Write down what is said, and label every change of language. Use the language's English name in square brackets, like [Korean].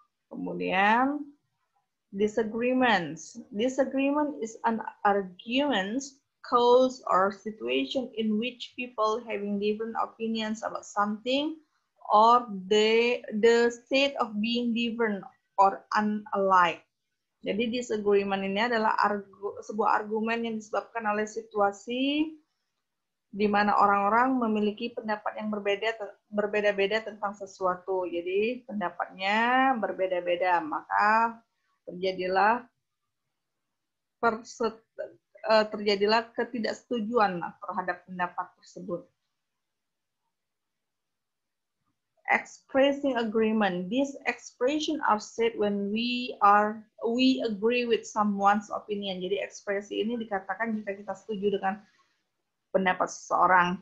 [Indonesian] Kemudian, [English] disagreements. Disagreement is an argument, cause, or situation in which people having different opinions about something or the state of being different or unlike. [Indonesian] Jadi disagreement ini adalah sebuah argumen yang disebabkan oleh situasi di mana orang-orang memiliki pendapat yang berbeda-beda tentang sesuatu. Jadi pendapatnya berbeda-beda, maka terjadilah terjadilah ketidaksetujuan terhadap pendapat tersebut. [English] Expressing agreement. These expressions are said when we agree with someone's opinion. [Indonesian] Jadi ekspresi ini dikatakan jika kita setuju dengan pendapat seseorang.